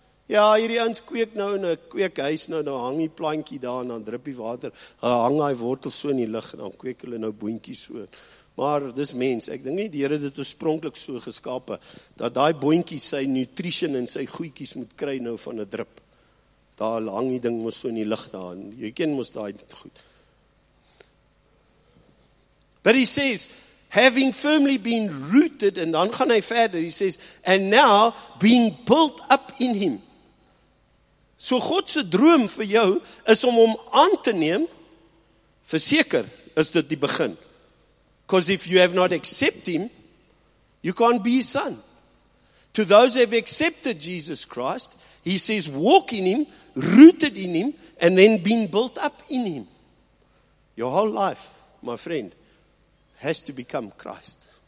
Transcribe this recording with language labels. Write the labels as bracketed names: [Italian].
[Afrikaans] Ja, hierdie ons kweek nou in 'n kweekhuis, nou hang die plantjie daar, en dan drip die water, hang hy wortel so in die lig, en dan kweek hulle nou boontjies so. Maar dis mens, ek dink nie die Here het dit oorspronklik so geskape, dat die boontjies sy nutrition en sy goeikies moet kry nou van 'n drip. Daar hang die ding mos so in die lig daar, en jy ken mos daai goed. [English] But he says, having firmly been rooted, [Afrikaans] en dan gaan hy verder, [English] he says, and now being built up in him. [Afrikaans] So Godse droom vir jou, is om hom aan te neem, verseker is dit die begin. [English] Because if you have not accepted him, you can't be his son. To those who have accepted Jesus Christ, he says, walk in him, rooted in him, and then being built up in him. Your whole life, my friend, has to become Christ.